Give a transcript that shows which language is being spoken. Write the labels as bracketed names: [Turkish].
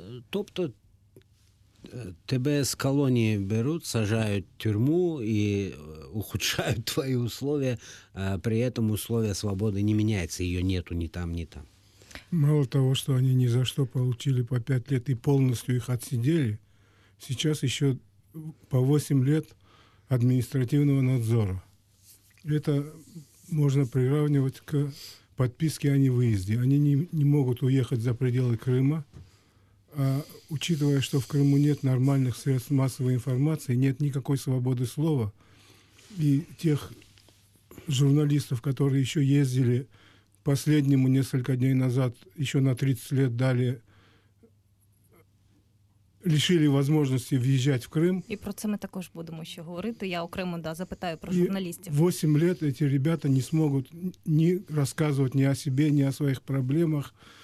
[Ukrainian] Тобто тебе з колонії беруть, сажають в тюрму і ухудшають твої умови, а при цьому умови свободи не міняються, її нету ні там, ні там. Мало того, що вони ні за що отримали по 5 років і повністю їх відсиділи, зараз ще по 8 років адміністративного надзору. Це можна прирівнювати до [Russian] подписки о невыезде. Они не могут уехать за пределы Крыма. А учитывая, что в Крыму нет нормальных средств массовой информации, нет никакой свободы слова, и тех журналистов, которые еще ездили последнему несколько дней назад, еще на 30 лет дали, лишили возможности въезжать в Крым. [Ukrainian] И про це ми також будемо ще говорити. Я окремо, да, запитаю про журналістів. [Russian] 8 лет эти ребята не смогут ни рассказывать ни о себе, ни о своих проблемах.